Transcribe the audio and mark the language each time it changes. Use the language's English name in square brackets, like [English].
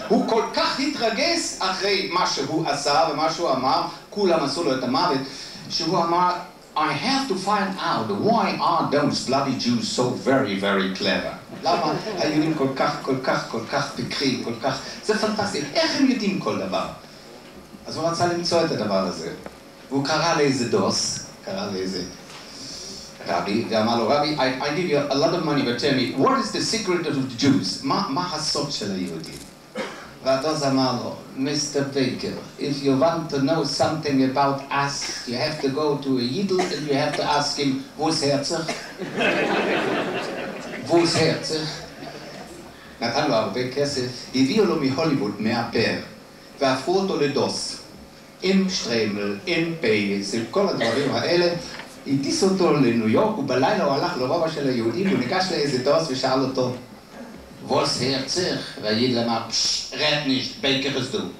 [Hebrew] הוא כל כך התרגז אחרי מה שהוא עשה ומה שהוא אמר, כולם עשו לו את המוות, שהוא אמר, [English] I have to find out why are those bloody Jews so very, very clever. [Hebrew] למה היהודים כל כך, כל כך, כל כך פקרים, כל כך, זה פנטסטי, איך הם יודעים כל דבר? אז הוא רצה למצוא את הדבר הזה. והוא קרא לאיזה דוס, קרא לאיזה רבי, ואמר לו, רבי, [English] I give you a lot of money, but tell me, what is the secret of the Jews? [Hebrew] מה הסוד של היהודים? והדוס אמר לו, Mr. [English] Baker, if you want to know something about us, you have to go to a Yidl and you have to ask him, [Yiddish] Wo's Herzog? Wo's Herzog? [Hebrew] נתן לו הרבה כסף, הביאו לו מהוליווד מהפר, והפכו אותו לדוס, עם שטרמל, עם פייס, עם כל הדברים האלה, הטיס אותו לניו יורק, ובלילה הוא הלך לרובע של היהודים, הוא ניגש לאיזה דוס ושאל אותו, וואס הרצך, והיידל אמר, פשש, [Yiddish] רט נישט, בייקר איז דו.